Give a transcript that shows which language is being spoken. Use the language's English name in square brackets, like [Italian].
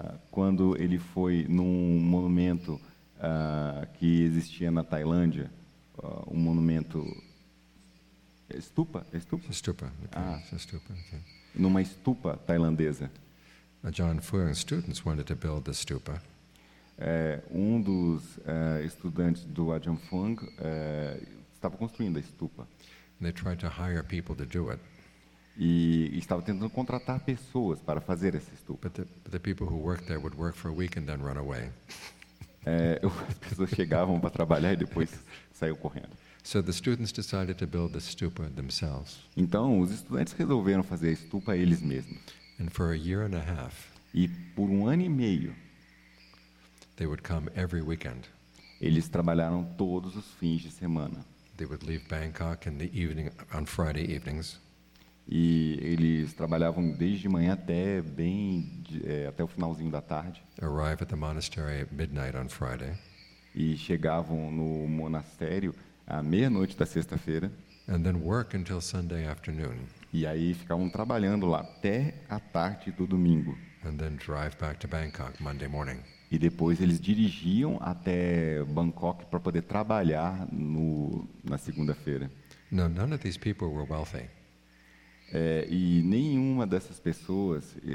[Portuguese] Quando ele foi num monumento que existia na Tailândia, um monumento estupa. [English] Okay. [Portuguese] Numa estupa tailandesa. [English] John Fuang's students wanted to build the stupa. [Portuguese] Um dos estudantes do Ajahn Fung estava construindo a estupa. [English] And they tried to hire people to do it. [Portuguese] E estava tentando contratar pessoas para fazer essa estupa. [English] But the people who worked there would work for a week and then run away. [Portuguese] As pessoas chegavam para trabalhar e depois saíam correndo. [English] So the students decided to build the stupa themselves. [Portuguese] Então os estudantes resolveram fazer a estupa eles mesmos. [English] And for a year and a half. [Portuguese] E por um ano e meio. [English] They would come every weekend. [Portuguese] Eles trabalharam todos os fins de semana. [English] They would leave Bangkok in the evening on Friday evenings. [Portuguese] E eles trabalhavam desde manhã até bem até o finalzinho da tarde. [English] Arrive at the monastery at midnight on Friday. [Portuguese] E chegavam no monastério à meia-noite da sexta-feira. [English] And then work until Sunday afternoon. [Portuguese] E aí ficavam trabalhando lá até a tarde do domingo. [English] And then drive back to Bangkok Monday morning. [Portuguese] E depois eles dirigiam até Bangkok para poder trabalhar na segunda-feira. [English] Now, none of these people were wealthy. [Portuguese] E nenhuma dessas pessoas...